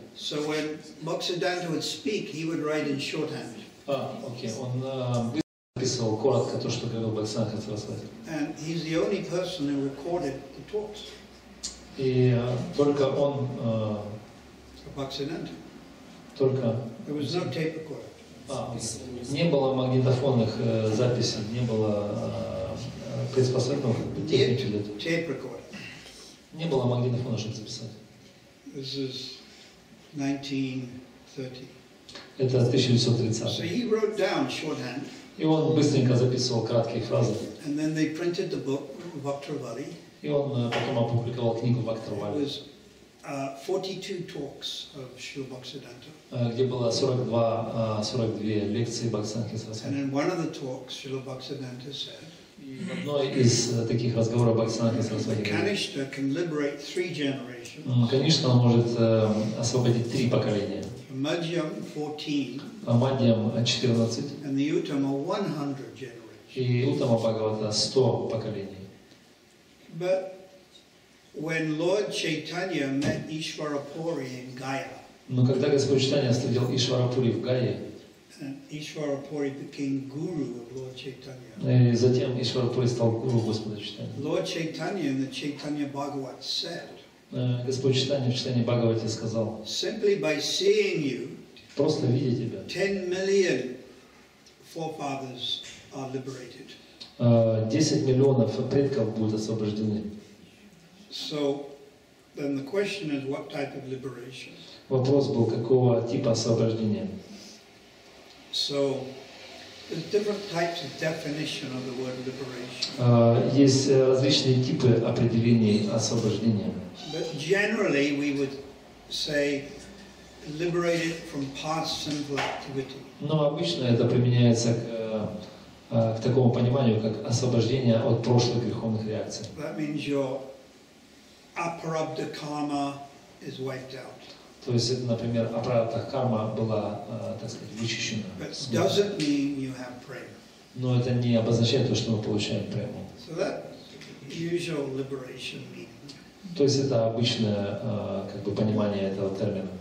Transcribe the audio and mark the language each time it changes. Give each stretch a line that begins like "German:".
English: So when Bhaktisiddhanta would speak, he would write in shorthand. Okay.
Russian: Он писал коротко то, что говорил Бхактисиддханта Сарасвати.
English: And he's the only person who recorded the talks.
Russian: И только он.
English: Bhaktisiddhanta.
Russian: Только.
English: There was no tape recorder.
Russian: Не было магнитофонных записей, не было приспособленных техник для этого.
English: Tape recorder.
Russian: Не было магнитофона, чтобы записать.
English: This is 1930.
Russian: Это 1930.
English: So he wrote down shorthand.
Russian: И он быстренько записывал краткие фразы.
English: And then they printed the book Vaktravali.
Russian: И он потом опубликовал книгу Vaktravali.
English: It was 42 talks of Srila Bhaktisiddhanta.
Russian: Где было 42 лекции Бхактисиддханты Сарасвати.
English: And in one of the talks, Srila Bhaktisiddhanta said.
Russian: В одной из таких разговоров Бхактисиддханта Сарасвати говорит, Канишна может освободить три поколения. Мадхьям 14. Мадхьям 14.
English: And the Uttama 100 generations.
Russian: И Уттама Бхагавата 100 поколений.
English: But when Lord Chaitanya met Ishwarapuri in Gaya.
Russian: Но когда Господь Чайтанья встретил Ишварапури в Гае.
English: And Ishwarapuri became guru of Lord Chaitanya.
Russian: И затем Ишварапури стал гуру Господа Чайтанья.
English: Lord Chaitanya in the Chaitanya Bhagavat said.
Russian: Господь Чайтанья в Чайтанье Бхагавате сказал.
English: Simply by seeing you.
Russian: Просто видя тебя.
English: 10 million forefathers are liberated.
Russian: 10 миллионов предков будут освобождены.
English: So then the question is, what type of liberation?
Russian: Вопрос был, какого типа освобождения?
English: So, there's different types of definition of the word liberation.
Russian: Есть различные типы определений освобождения.
English: But generally, we would say liberated from past sinful activity.
Russian: Но обычно это применяется к такому пониманию, как освобождение от прошлых греховных реакций.
English: That means your aparabdha karma is wiped out.
Russian: То есть, это, например, аппарата карма была, так сказать, вычищена.
English: But doesn't mean you have prema.
Russian: Но это не обозначает то, что мы получаем прему.
English: So that's usual liberation meaning.
Russian: То есть это обычное как бы понимание этого термина.